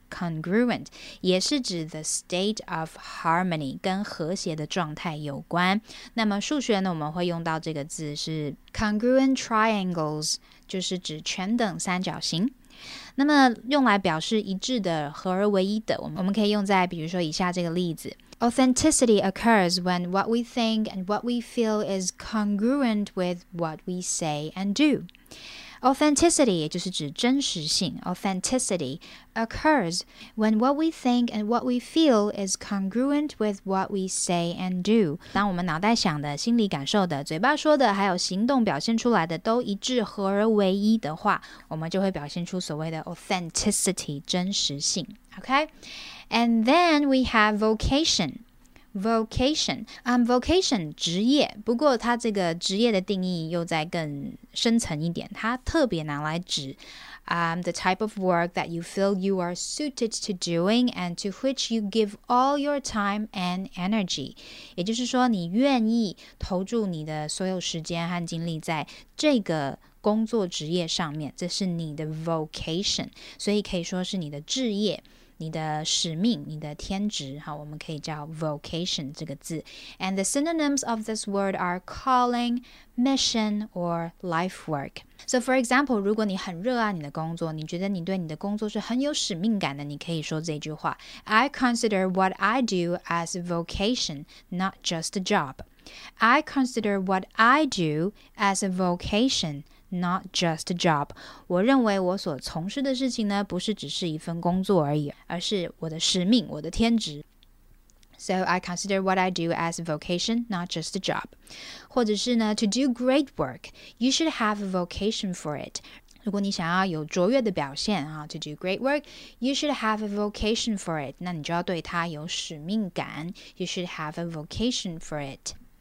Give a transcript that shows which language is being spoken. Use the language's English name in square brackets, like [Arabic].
[Chinese] Congruent 也是指 [English] the state of harmony [Chinese] 跟和谐的状态有关。那么数学呢，我们会用到这个字是 congruent triangles， 就是指全等三角形。那么用来表示一致的、合而为一的，我们可以用在比如说以下这个例子。 [English] Authenticity occurs when what we think and what we feel is congruent with what we say and do. Authenticity [Chinese] 也就是指真实性 [English] Authenticity occurs when what we think and what we feel is congruent with what we say and do. [Chinese] 当我们脑袋想的、心里感受的、嘴巴说的还有行动表现出来的都一致合而为一的话我们就会表现出所谓的 authenticity 真实性 Okay? [English] And then we have vocation. Vocation. [Chinese] Vocation, 职业。不过它这个职业的定义又再更深层一点。它特别拿来指 [English] the type of work that you feel you are suited to doing and to which you give all your time and energy. [Chinese] 也就是说你愿意投注你的所有时间和精力在这个工作职业上面。这是你的 vocation. 所以可以说是你的职业。你的使命，你的天职，好，我们可以叫 vocation 这个字。 [English] And the synonyms of this word are calling, mission, or life work. So for example, [Chinese] 如果你很热爱你的工作，你觉得你对你的工作是很有使命感的，你可以说这句话。 [English] I consider what I do as a vocation, not just a job. I consider what I do as a vocation,Not just a job. [Chinese] 我认为我所从事的事情呢，不是只是一份工作而已，而是我的使命，我的天职。 [English] So I consider what I do as a vocation, not just a job. [Chinese] 或者是呢 [English] to do great work, you should have a vocation for it. [Chinese] 如果你想要有卓越的表现啊 [English] to do great work, you should have a vocation for it. [Chinese] 那你就要对它有使命感 [English] you should have a vocation for it.